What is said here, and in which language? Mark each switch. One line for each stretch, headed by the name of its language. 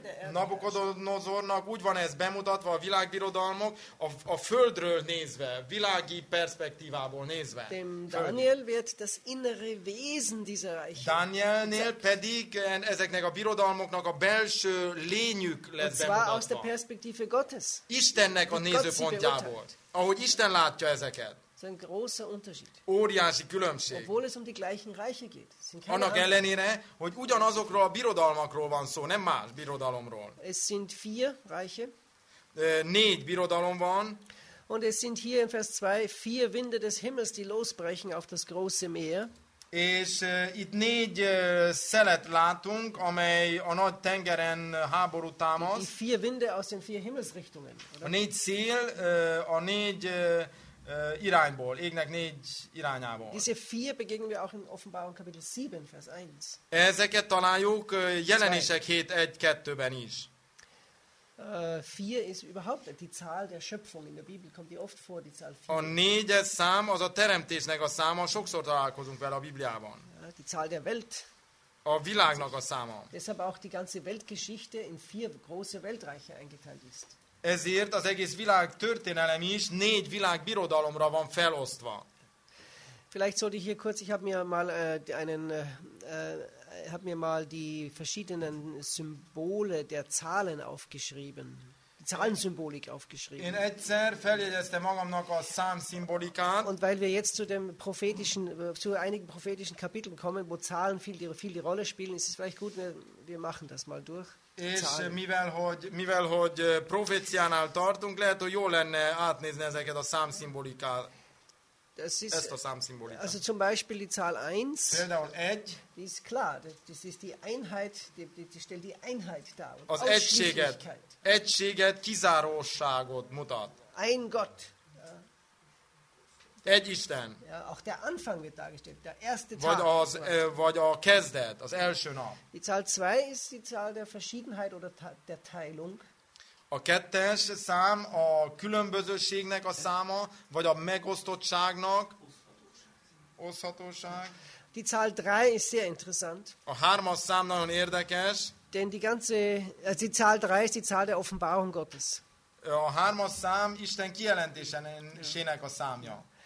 Hungarian: Nabukodonozornak úgy van ez bemutatva a világbirodalmak, a földről nézve, világi perspektívából nézve.
German: Dem Daniel wird das innere Wesen dieser Reiche.
Hungarian: Danielnél pedig ezeknek a birodalmoknak a belső lényük lett bemutatva.
German: Und zwar aus der Perspektive Gottes.
Hungarian: Istennek a nézőpontjából. Ahogy Isten látja ezeket. Ez egy
German: großer Unterschied.
Hungarian: Óriási különbség.
German: Obwohl es um die gleichen Reiche geht.
Hungarian: Annak ellenére, hogy ugyanazokról a birodalmakról van szó, nem más birodalomról.
German: Es sind vier Reiche.
Hungarian: Négy birodalom van.
German: Und es sind hier in Vers 2 vier Winde des Himmels, die losbrechen auf das große Meer.
Hungarian: És itt négy szelet látunk, amely a nagy tengeren háború támaszt.
German: Die vier Winde aus den vier Himmelsrichtungen.
Hungarian: A négy szél a négy irányból, égnek négy irányából.
German: Diese vier begegnen wir auch in Offenbarung Kapitel 7, Vers 1.
Hungarian: Ezeket találjuk Jelenések 7:1-2-ben is.
German: Vier ist überhaupt die Zahl der Schöpfung. In der Bibel kommt die oft vor, die Zahl 4.
Hungarian: A négyes szám az a teremtésnek a száma, sokszor találkozunk vele a Bibliában.
German: Die Zahl der Welt.
Hungarian: A világnak a száma.
German: Deshalb auch die ganze Weltgeschichte in vier große Weltreiche eingeteilt ist.
Hungarian: Ezért az egész világ történelem is négy világbirodalomra van felosztva.
German: Vielleicht sollte ich hier kurz, ich habe mir mal einen habe mir mal die verschiedenen Symbole der Zahlen aufgeschrieben. Die Zahlensymbolik aufgeschrieben.
Hungarian: Én egyszer feljegyeztem magamnak a számszimbolikát.
German: Und weil wir jetzt zu dem prophetischen zu einigen prophetischen Kapiteln kommen, wo Zahlen viel die Rolle spielen, ist es vielleicht gut, wir machen das mal durch.
Hungarian: És mivel hogy proféciánál tartunk, lehet, hogy jó lenne átnézni ezeket a számszimbolikát. Ezt a számszimbolikát.
German: Also zum Beispiel die Zahl 1.
Hungarian: Például 1.
German: Die ist klar, das ist die Einheit, die stellt die Einheit dar.
Hungarian: Az egységet, kizárosságot mutat.
German: Ein Gott.
Hungarian: Egy Isten.
German: Ja, auch der Anfang wird dargestellt, der erste Tag.
Hungarian: Vagy a kezdet, az első nap.
German: Die Zahl 2 ist die Zahl der Verschiedenheit oder der Teilung.
Hungarian: A kettes szám a különbözőségnek a száma, vagy a megosztottságnak. Oszhatóság.
German: Die Zahl 3 ist sehr interessant.
Hungarian: A hármas szám nagyon érdekes.
German: Denn die ganze, die Zahl 3 ist die Zahl der Offenbarung Gottes.
Hungarian: A hármas szám Isten kijelentésének a számja.